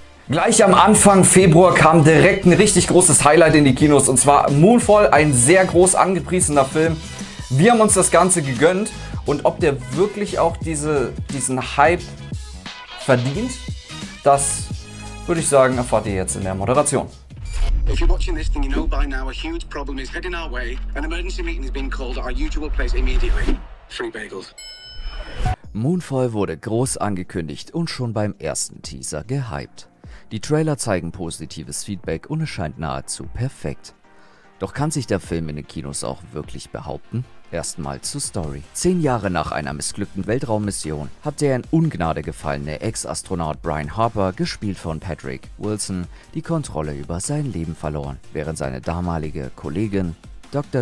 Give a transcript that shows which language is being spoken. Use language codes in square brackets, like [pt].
[de] Gleich am Anfang Februar kam direkt ein richtig großes Highlight in die Kinos und zwar Moonfall, ein sehr groß angepriesener Film. Wir haben uns das Ganze gegönnt und ob der wirklich auch diesen Hype verdient, das würde ich sagen, erfahrt ihr jetzt in der Moderation. [en] If you're watching this, then you know by now a huge problem is heading our way. An emergency meeting is being called at our usual place immediately. Free bagels. [de] Moonfall wurde groß angekündigt und schon beim ersten Teaser gehypt. Die Trailer zeigen positives Feedback und es scheint nahezu perfekt. Doch kann sich der Film in den Kinos auch wirklich behaupten? Erstmal zur Story. 10 Jahre nach einer missglückten Weltraummission hat der in Ungnade gefallene Ex-Astronaut Brian Harper, gespielt von Patrick Wilson, die Kontrolle über sein Leben verloren, während seine damalige Kollegin Dr.